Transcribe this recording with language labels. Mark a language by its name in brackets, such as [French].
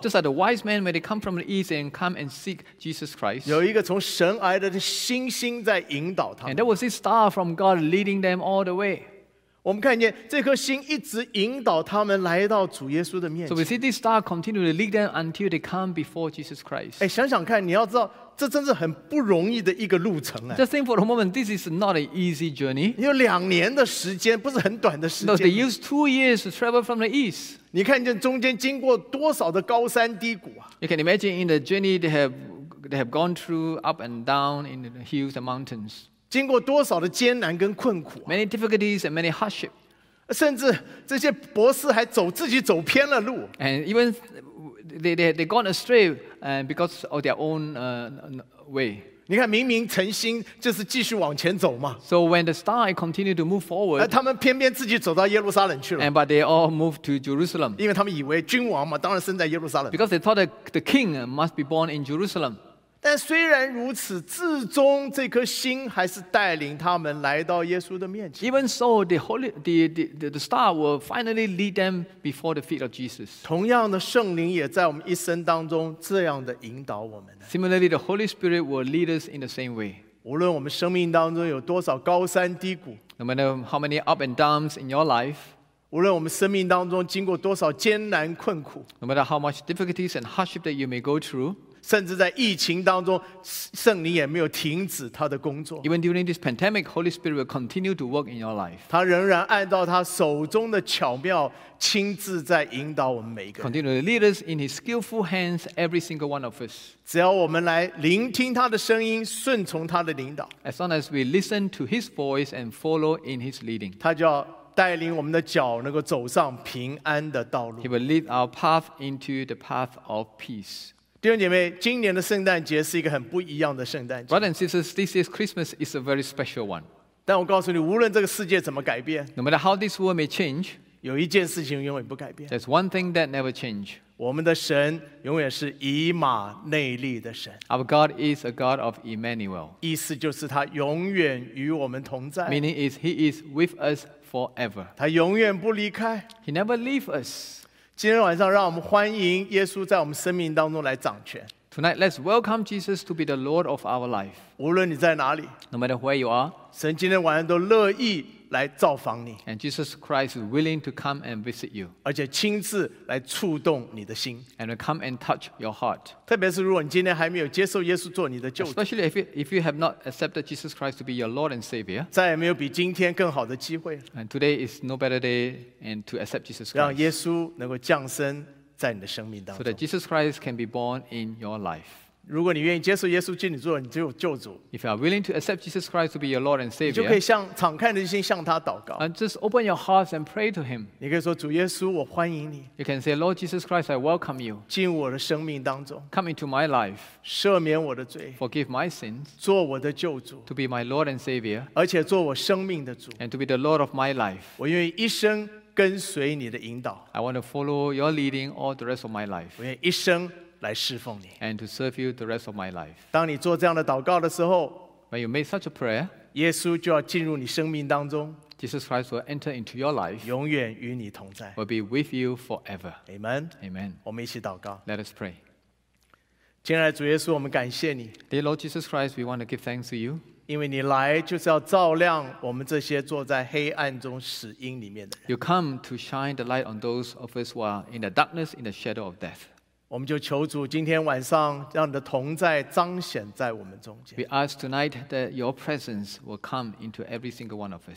[English] Just like the wise men when they come from the east and come and seek Jesus Christ. [Chinese] 有一个从神来的星星在引导他们。 [English] And there was a star from God leading them all the way. [Chinese] 我们看见这颗星一直引导他们来到主耶稣的面前。 [English] So we see this star continue to lead them until they come before Jesus Christ. [Chinese] 哎，想想看，你要知道，这真是很不容易的一个路程哎。 [English] Just think for a moment, this is not an easy journey. [Chinese] 你有两年的时间，不是很短的时间。 [English] No, they use 2 years to travel from the east. [Chinese] 你看见中间经过多少的高山低谷啊 [English] ？You can imagine in the journey they have gone through up and down in the hills and mountains. [Chinese] 经过多少的艰难跟困苦、啊、 [English] Many difficulties and many hardship. [Chinese] 甚至这些博士还走自己走偏了路。 [English] And even they gone astray because of their own way. [Chinese] 你看明明诚心就是继续往前走嘛。 [English] So when the star continued to move forward, [Chinese] 他们偏偏自己走到耶路撒冷去了。 [English] And but they all moved to Jerusalem. [Chinese] 因为他们以为君王嘛当然生在耶路撒冷。 [English] Because they thought that the king must be born in Jerusalem. [Chinese] 但虽然如此，至终这颗心还是带领他们来到耶稣的面前。 [English] Even so, the star will finally lead them before the feet of Jesus. [Chinese] 同样的，圣灵也在我们一生当中这样的引导我们。 [English] Similarly, the Holy Spirit will lead us in the same way. [Chinese] 无论我们生命当中有多少高山低谷 [English] ，No matter how many up and downs in your life. [Chinese] 无论我们生命当中经过多少艰难困苦 [English] ，No matter how much difficulties and hardship that you may go through。 [Chinese] 甚至在疫情当中，圣灵也没有停止他的工作。 [English] Even during this pandemic, Holy Spirit will continue to work in your life. [Chinese] 他仍然按照他手中的巧妙，亲自在引导我们每一个人。 [English] Continue to lead us in His skillful hands, every single one of us. [Chinese] 只要我们来聆听他的声音，顺从他的领导。 [English] As long as we listen to His voice and follow in His leading, [Chinese] 他就要带领我们的脚能够走上平安的道路。 [English] He will lead our path into the path of peace. [Chinese] 弟兄姐妹，今年的圣诞节是一个很不一样的圣诞节。 [English] Brothers and sisters, this year's Christmas is a very special one. [Chinese] 但我告诉你，无论这个世界怎么改变 [English] ，No matter how this world may change, [Chinese] 有一件事情永远不改变。 [English] There's one thing that never change. [Chinese] 我们的神永远是以马内利的神。 [English] Our God is a God of Emmanuel. [Chinese] 意思就是他永远与我们同在。 [English] Meaning is he is with us forever. [Chinese] 他永远不离开。 [English] He never leave us. [Chinese] 今天晚上让我们欢迎耶稣在我们生命当中来掌权。 [English] Tonight, let's welcome Jesus to be the Lord of our life. [Chinese] 无论你在哪里, [English] no matter where you are, [Chinese] 神今天晚上都乐意来造访你。 [English] And Jesus Christ is willing to come and visit you. [Chinese] 而且亲自来触动你的心。 [English] And come and touch your heart. [Chinese] 特别是如果你今天还没有接受耶稣做你的救主。 [English] Especially if you have not accepted Jesus Christ to be your Lord and Savior. [Chinese] 再也没有比今天更好的机会。 [English] And today is no better day and to accept Jesus Christ. [Chinese] 让耶稣能够降生在你的生命当中。 [English] So that Jesus Christ can be born in your life. [Chinese] 如果你愿意接受耶稣基督做你的救主， [English] If you are willing to accept Jesus Christ to be your Lord and Savior, [Chinese] 你就可以向敞开的心向他祷告。 [English] And just open your hearts and pray to him. [Chinese] 你可以说主耶稣我欢迎你。 [English] You can say Lord Jesus Christ I welcome you. [Chinese] 进我的生命当中。 [English] Come into my life. [Chinese] 赦免我的罪。 [English] Forgive my sins. [Chinese] 做我的救主。 [English] To be my Lord and Savior. [Chinese] 而且做我生命的主。 [English] And to be the Lord of my life. [Chinese] 我愿意一生跟随你的引导。 [English] I want to follow your leading all the rest of my life. [Chinese] 我愿意一生来侍奉你。 [English] And to serve you the rest of my life. [Chinese] 当你做这样的祷告的时候， [English] When you make such a prayer, [Chinese] 耶稣就要进入你生命当中。 [English] Jesus Christ will enter into your life. [Chinese] 永远与你同在。 [English] Will be with you forever. Amen. Amen. [Chinese] 我们一起祷告。 [English] Let us pray. [Chinese] 亲爱的主耶稣，我们感谢你。 [English] Dear Lord Jesus Christ, we want to give thanks to you. [Chinese] 因为你来就是要照亮我们这些坐在黑暗中死荫里面的人。 [English] You come to shine the light on those of us who are in the darkness, in the shadow of death. [Chinese] 我们就求主今天晚上让你的同在彰显在我们中间。 [English] We ask tonight that your presence will come into every single one of us.